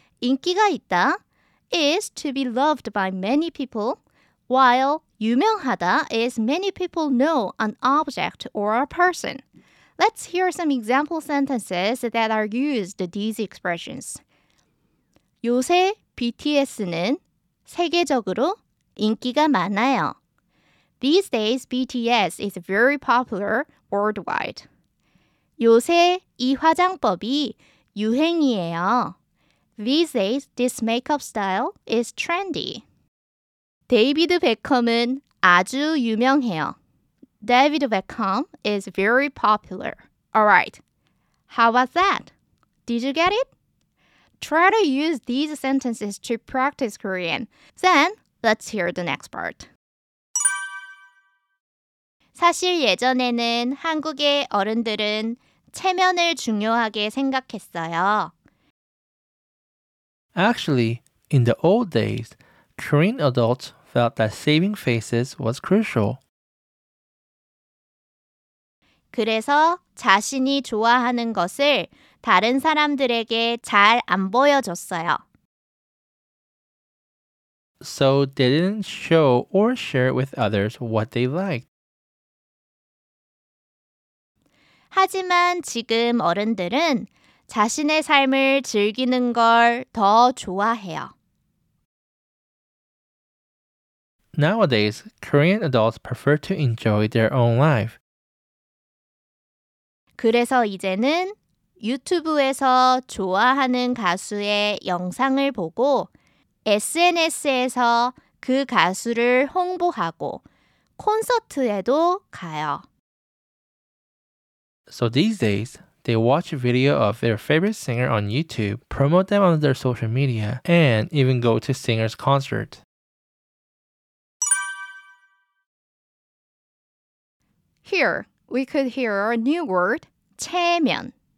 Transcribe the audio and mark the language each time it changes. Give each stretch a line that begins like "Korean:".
Korean: 인기가 있다
English: is to be loved by many people, while 유명하다 is many people know an object or a person. Let's hear some example sentences that are used these expressions.
Korean: 요새 BTS는 세계적으로 인기가 많아요.
English: These days, BTS is very popular worldwide.
Korean: 요새 이 화장법이 유행이에요.
English: These days, this makeup style is trendy.
Korean: 데이비드 베컴은 아주 유명해요.
English: David Beckham is very popular. Alright, how was that? Did you get it? Try to use these sentences to practice Korean. Then, let's hear the next part.
Korean: 사실 예전에는 한국의 어른들은 체면을 중요하게 생각했어요.
English: Actually, in the old days, Korean adults felt that saving faces was crucial.
Korean: 그래서 자신이 좋아하는 것을 다른 사람들에게 잘 안 보여줬어요.
English: So they didn't show or share with others what they liked.
Korean: 하지만 지금 어른들은 자신의 삶을 즐기는 걸 더 좋아해요.
English: Nowadays, Korean adults prefer to enjoy their own life.
Korean: 그래서 이제는 유튜브에서 좋아하는 가수의 영상을 보고 SNS에서 그 가수를 홍보하고 콘서트에도 가요.
English: So these days, they watch a video of their favorite singer on YouTube, promote them on their social media, and even go to singer's concert. 해, we could hear a new word, 체면.